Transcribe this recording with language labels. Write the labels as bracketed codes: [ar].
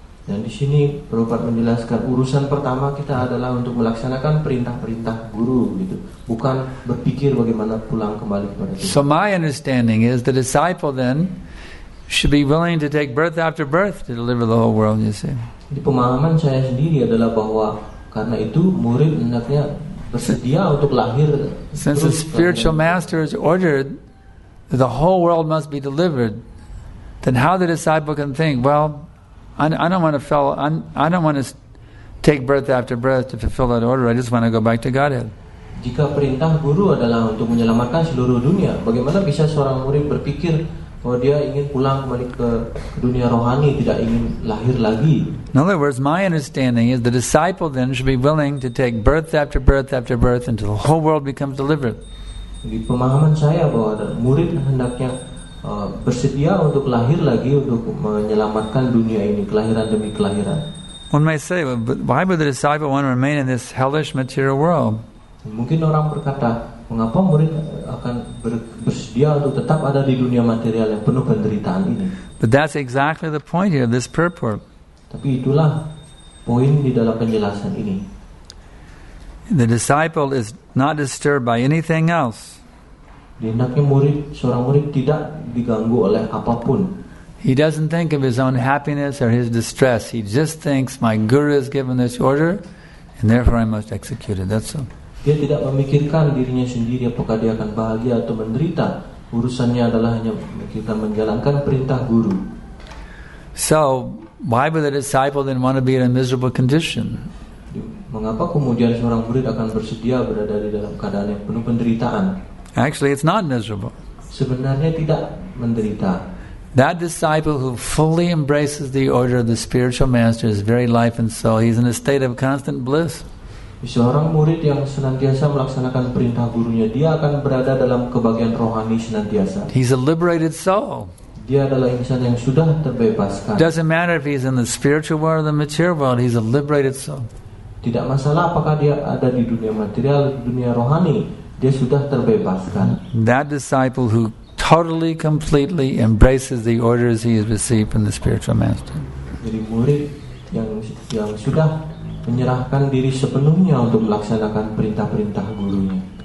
[id] Dan di sini Prabhupada menjelaskan urusan pertama kita adalah untuk melaksanakan perintah-perintah guru gitu, bukan berpikir bagaimana pulang kembali kepada Tuhan. [en] So my understanding is the disciple then should be willing to take birth after birth to deliver the whole world, you see. [id] Di pemahaman saya sendiri adalah bahwa karena itu murid hendaknya bersedia untuk lahir. [en] Since the spiritual master has ordered that the whole world must be delivered, then how the disciple can think, well, I don't want to take birth after birth to fulfill that order. I just want to go back to Godhead. [id] Jika perintah guru adalah untuk menyelamatkan seluruh dunia, bagaimana bisa seorang murid berpikir bahwa dia ingin pulang kembali ke dunia rohani, tidak ingin lahir lagi? [en] In other words, my understanding is the disciple then should be willing to take birth after birth after birth until the whole world becomes delivered. [id] Jadi pemahaman saya bahwa murid hendaknya bersedia untuk lahir lagi untuk menyelamatkan dunia ini, kelahiran demi kelahiran. [en] One may say, but why would the disciple want to remain in this hellish material world? [id] Mungkin orang berkata, mengapa murid akan bersedia untuk tetap ada di dunia material yang penuh penderitaan ini? [en] But that's exactly the point here, this purport. [id] Tapi itulah poin di dalam penjelasan ini. [en] The disciple is not disturbed by anything else. [id] Hendaknya murid, seorang murid tidak diganggu oleh apapun. [en] He doesn't think of his own happiness or his distress. He just thinks, my guru has given this order, and therefore I must execute it. That's all. [id] Dia tidak memikirkan dirinya sendiri apakah dia akan bahagia atau menderita. Urusannya adalah hanya kita menjalankan perintah guru. [en] So, why would the disciple then want to be in a miserable condition? [id] Mengapa kemudian seorang murid akan bersedia berada di dalam keadaan yang penuh penderitaan? [en] Actually, it's not miserable. [id] Sebenarnya tidak menderita. [en] That disciple who fully embraces the order of the spiritual master, his very life and soul, he's in a state of constant bliss. [id] Seorang murid yang senantiasa melaksanakan perintah gurunya, dia akan berada dalam kebahagiaan rohani senantiasa. [en] He's a liberated soul. [id] Dia adalah insan yang sudah terbebaskan. [en] Doesn't matter if he's in the spiritual world or the material world, he's a liberated soul. [id] Tidak masalah apakah dia ada di dunia material, dunia rohani. Dia sudah terbebaskan. [en] That disciple who totally, completely embraces the orders he has received from the spiritual master. [id] Jadi murid yang sudah menyerahkan diri sepenuhnya untuk melaksanakan perintah-perintah gurunya.